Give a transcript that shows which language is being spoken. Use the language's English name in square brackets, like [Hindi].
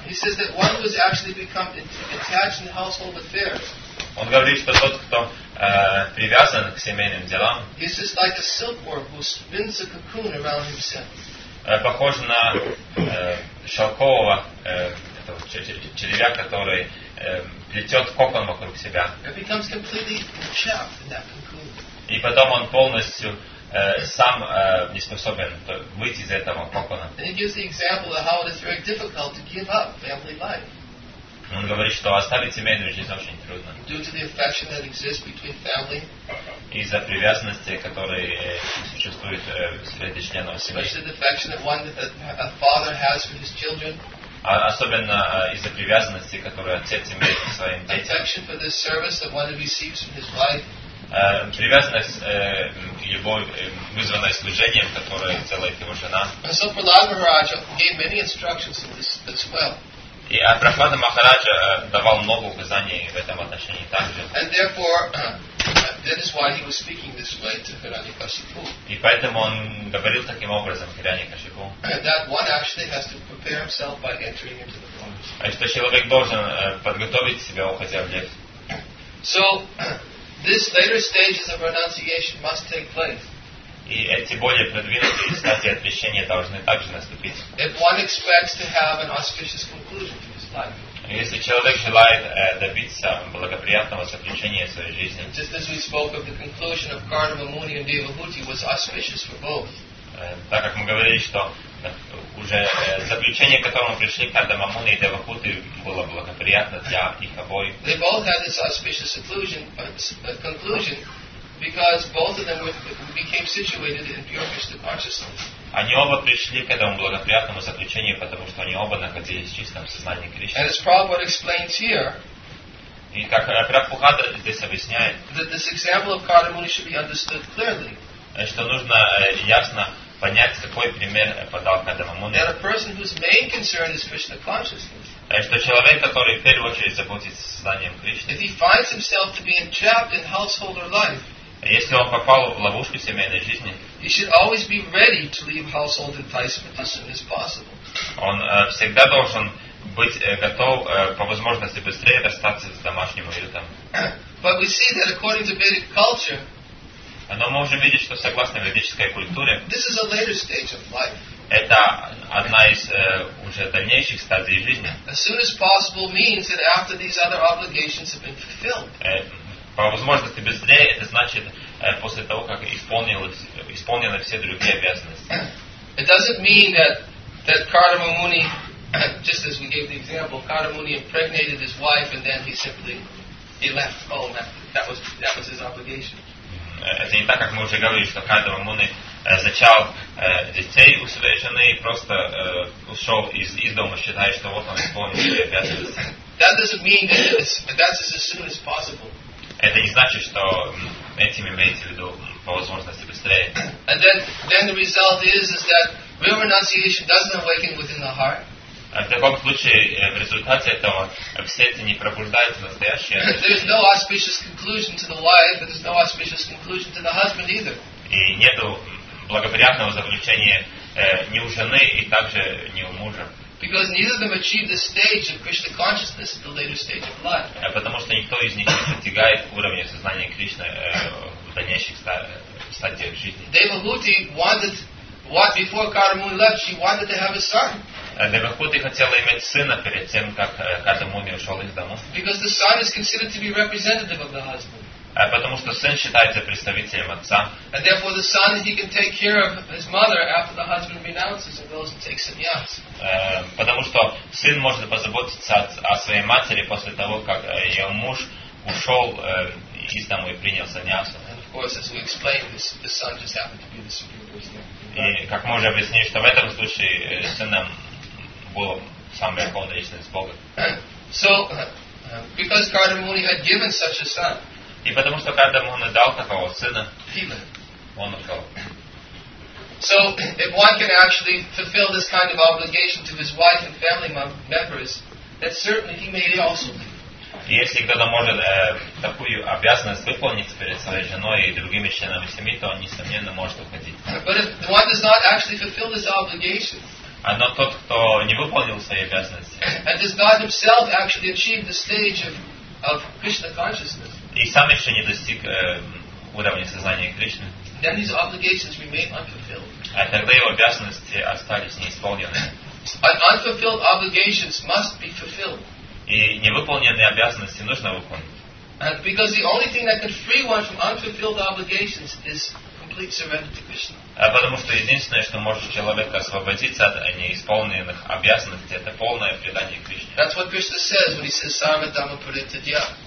[English] He says that one who has actually become attached in household affairs. [Russian] Он говорит, что тот, кто привязан к семейным делам. [English] He says like a silkworm who spins a cocoon around himself. [Russian] Похож на шелкового этого червя, который плетет кокон вокруг себя. [English] He becomes completely trapped in that cocoon. [Russian] И потом он полностью сам не способен выйти из этого кокона. [English] And he gives the example of how it is very difficult to give up family life. [Russian] Он говорит, что оставить семейную жизнь очень трудно. [English] Due to the affection that exists between family. [Russian] Из-за привязанности, которая существует среди членов семьи. [English] Especially the affection that one that a father has for his children. [Russian] Особенно из-за привязанности, которую отец имеет к своим детям. [English] Affection for the service that one receives from his wife. [Russian] Привязанность его вызванной служением, которое делает его жена. [English] So Prahlad Maharaj gave many instructions in this as well. [Russian] И Прахлада Махараджа давал много указаний в этом отношении также. [English] And therefore, that is why he was speaking this way to Hiranyakashipu. [Russian] И поэтому он говорил таким образом Хиранья-кашипу. [English] That one actually has to prepare himself by entering into the forest. [Russian] Что человек должен подготовить себя, уходя в лес. [English] So this later stages of renunciation must take place. [Russian] И эти более продвинутые стадии отрешения должны также наступить. [English] If one expects to have an auspicious conclusion to his life. [Russian] Если человек желает добиться благоприятного заключения своей жизни. [English] Just as we spoke of the conclusion of Karna, Muni, and Devahuti was auspicious for both. [Russian] Так как мы говорили, что уже заключение, к которому пришли Карда Мамуни и Девахуты, было благоприятно для их обоих. [English] They both had this auspicious conclusion, because both of them became situated in pure Krishna consciousness. [Russian] Они оба пришли к этому благоприятному заключению, потому что они оба находились в чистом сознании Кришны. [English] And as Prabhupada explains here, [Russian] и как Прабхупада здесь объясняет, [English] that this example of Kadamuni should be understood clearly. [Russian] Что нужно ясно понять, какой пример подал Кадамамуни. [English] That a person whose main concern is Krishna consciousness. [Russian] Что человек, который в первую очередь заботится о сознании Кришны. [English] If he finds himself to be entrapped in householder life. [Russian] Если он попал в ловушку семейной жизни, [English] he should always be ready to leave household enticement as soon as possible. [Russian] Он всегда должен быть готов по возможности быстрее расстаться с домашним уютом. [English] But we see that according to Vedic culture, [Russian] но мы можем видеть, что согласно ведической культуре, [English] this is a later stage of life. [Russian] Это одна из уже дальнейших стадий жизни. [English] As soon as possible means that after these other obligations have been fulfilled. [Russian] По возможности быстрее, это значит после того, как исполнены все другие обязанности. [English] It doesn't mean that Kardama Muni, just as we gave the example, Kardama Muni impregnated his wife and then he left home. That was his obligation. [Russian] Это не так, как мы уже говорили, что Кардама Муни зачал детей у своей жены и просто ушел из дома, считая, что вот он исполнил свои обязанности. [English] That doesn't mean that's as soon as possible. [Russian] Это не значит, что этим имеете в виду по возможности быстрее. [English] And then the result is that real renunciation doesn't awaken within the heart. [Russian] В таком случае, в результате этого, в сердце не пробуждается настоящее. [English] There's no auspicious conclusion to the wife, and there's no auspicious conclusion to the husband either. [Russian] И нету благоприятного заключения ни у жены, и также ни у мужа. [English] Because neither of them achieve the stage of Krishna consciousness at the later stage of life. [Russian] Потому что никто из них не достигает уровня сознания Кришны в дальнейших стадиях жизни. [English] Devahuti wanted, what before Kadamuni left, she wanted to have a son. [Russian] Devahuti хотела иметь сына перед тем, как Кадамуни ушел из дома. [English] Because the son is considered to be representative of the husband. [Russian] Потому что сын считается представителем отца. [English] And therefore the son, he can take care of his mother after the husband renounces and goes and takes sannyas. [Russian] Потому что сын может позаботиться о своей матери после того, как ее муж ушел из дома и принял сannyas. [English] And of course, as we explained, the son just happened to be the superior wisdom. [Russian] И как мы уже объяснили, что в этом случае сыном был сам верховный личность Бога. [English] So, because Kadamuni Muni had given such a son, [Russian] и потому что Кардамуни дал такого сына, он ушел. [English] So, if one can actually fulfill this kind of obligation to his wife and family members, then certainly he may also leave. [Russian] Если кто-то может такую обязанность выполнить перед своей женой и другими членами семьи, то он, несомненно, может уходить. [English] But if one does not actually fulfill this obligation, [Russian] но тот, кто не выполнил свои обязанности, [English] and does not himself actually achieve the stage of Krishna consciousness, [Russian] и сам еще не достиг уровня сознания Кришны, [English] then his obligations remain unfulfilled. [Russian] А тогда его обязанности остались неисполненными. [English] But unfulfilled obligations must be fulfilled. [Russian] И невыполненные обязанности нужно выполнить. [English] And because the only thing that can free one from unfulfilled obligations is complete surrender to Krishna. [Russian] А потому что единственное, что может человека освободиться от неисполненных обязанностей, это полное предание Кришне. [English] That's what Krishna says when he says [Sanskrit] "Sarva Dhamma Paritadya".